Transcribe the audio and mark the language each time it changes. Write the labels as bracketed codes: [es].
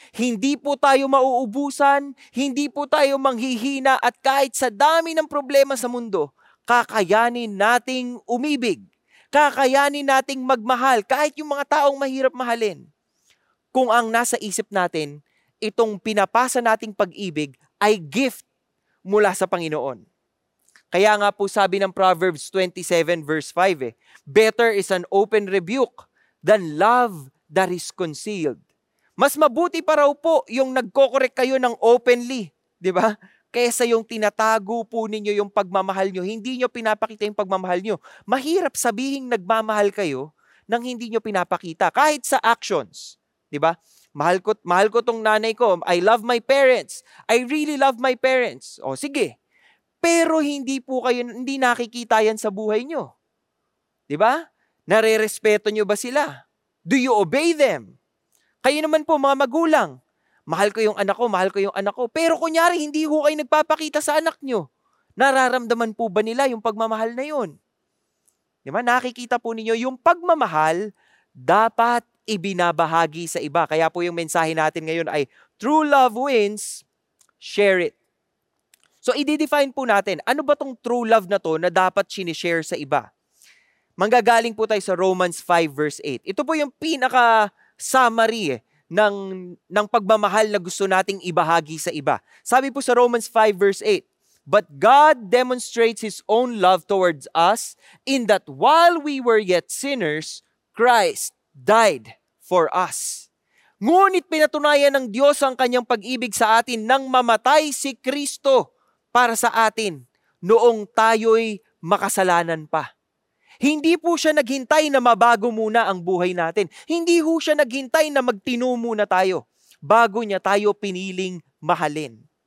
[tl] Hindi po tayo mauubusan, hindi po tayo manghihina, at kahit sa dami ng problema sa mundo, kakayanin nating umibig. Kakayanin nating magmahal kahit yung mga taong mahirap mahalin. Kung ang nasa isip natin, itong pinapasa nating pag-ibig ay gift mula sa Panginoon. Kaya nga po sabi ng [en] Proverbs 27 verse 5, better is an open rebuke than love that is concealed. [tl] Mas mabuti pa raw po yung nagko-correct kayo ng openly, di ba? Kaysa yung tinatago po ninyo yung pagmamahal nyo, hindi nyo pinapakita yung pagmamahal nyo. Mahirap sabihing nagmamahal kayo nang hindi nyo pinapakita, kahit sa actions, di ba? Mahal ko tong nanay ko, [en] I love my parents, I really love my parents. [tl] O sige. Pero hindi nakikita yan sa buhay nyo. Di ba? Nare-respeto nyo ba sila? [en] Do you obey them? [tl] Kayo naman po, mga magulang. Mahal ko yung anak ko. Pero kunyari, hindi po kayo nagpapakita sa anak nyo. Nararamdaman po ba nila yung pagmamahal na yun? Di ba? Nakikita po ninyo, yung pagmamahal dapat ibinabahagi sa iba. Kaya po yung mensahe natin ngayon ay, [en] true love wins, share it. [tl] So, i-define po natin, ano ba tong true love na to na dapat sinishare sa iba? Manggagaling po tayo sa Romans 5 verse 8. Ito po yung pinaka-summary ng pagmamahal na gusto nating ibahagi sa iba. Sabi po sa [en] Romans 5 verse 8, but God demonstrates His own love towards us in that while we were yet sinners, Christ died for us. [tl] Ngunit pinatunayan ng Diyos ang Kanyang pag-ibig sa atin nang mamatay si Kristo para sa atin noong tayo'y makasalanan pa. Hindi po siya naghintay na mabago muna ang buhay natin. Hindi po siya naghintay na magtino muna tayo bago niya tayo piniling mahalin.